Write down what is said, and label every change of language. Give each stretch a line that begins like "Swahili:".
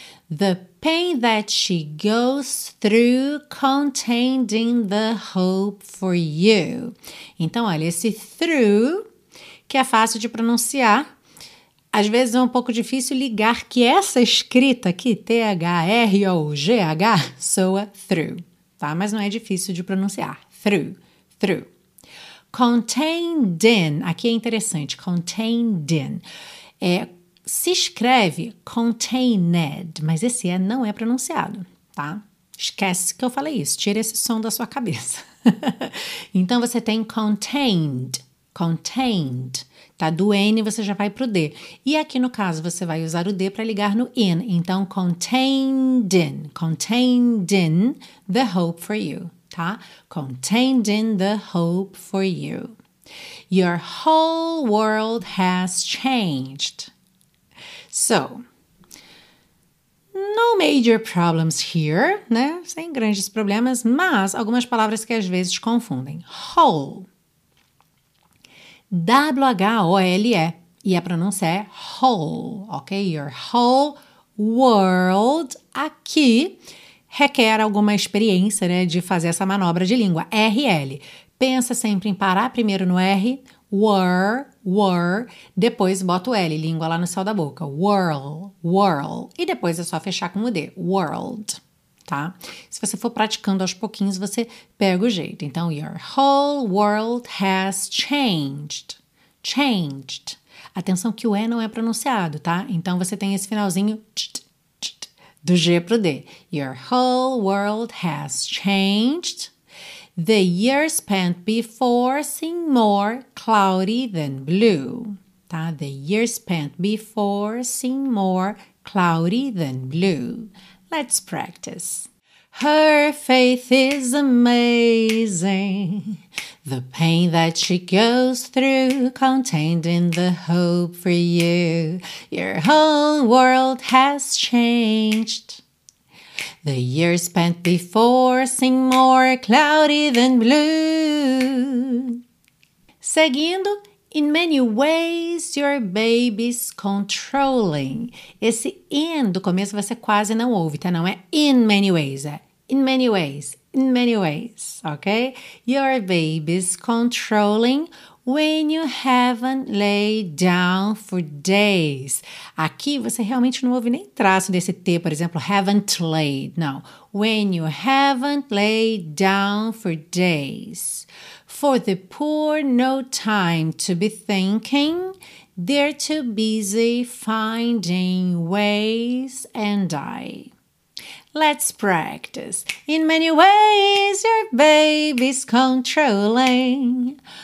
English: The pain that she goes through contained in the hope for you.
Portuguese: Então, olha, esse through, que é fácil de pronunciar, às vezes é um pouco difícil ligar que essa escrita aqui, T-H-R-O-G-H, soa through, tá? Mas não é difícil de pronunciar. Through, through. Contained in, aqui é interessante, contained in, é... Se escreve contained, mas esse E não é pronunciado, tá? Esquece que eu falei isso, tira esse som da sua cabeça. Então, você tem contained, contained, tá? Do N você já vai pro D. E aqui, no caso, você vai usar o D para ligar no in.
English: Então, contained in the hope for you, tá? Contained in the hope for you. Your whole world has changed. So, no major problems here, né?
Portuguese: Sem grandes problemas, mas algumas palavras que às vezes confundem. Whole. W-H-O-L-E. E a pronúncia é whole, ok?
English: Your whole world
Portuguese: aqui requer alguma experiência, né? De fazer essa manobra de língua. R-L. Pensa sempre em parar primeiro no R. Were, depois bota o L, língua lá no céu da boca, whirl, e depois é só fechar com o D, world, tá? Se você for praticando aos pouquinhos, você pega o jeito.
English: Então, your whole world has changed.
Portuguese: Atenção que o E não é pronunciado, tá? Então, você tem esse finalzinho do G pro D.
English: Your whole world has changed. The years spent before seem more cloudy than blue. Tá? The years spent before seem more cloudy than blue. Let's practice. Her faith is amazing. The pain that she goes through contained in the hope for you. Your whole world has changed. The years spent before seem more cloudy than blue. Seguindo, in many ways your baby's controlling.
Portuguese: Esse in do começo você quase não ouve, tá? Não é
English: in many ways,
Portuguese: é in many ways, ok?
English: Your baby's controlling when you haven't laid down for days.
Portuguese: Aqui você realmente não ouve nem traço desse T, por exemplo,
English: haven't laid,
Portuguese: não.
English: When you haven't laid down for days. For the poor no time to be thinking, they're too busy finding ways and I. Let's practice. In many ways your baby's controlling.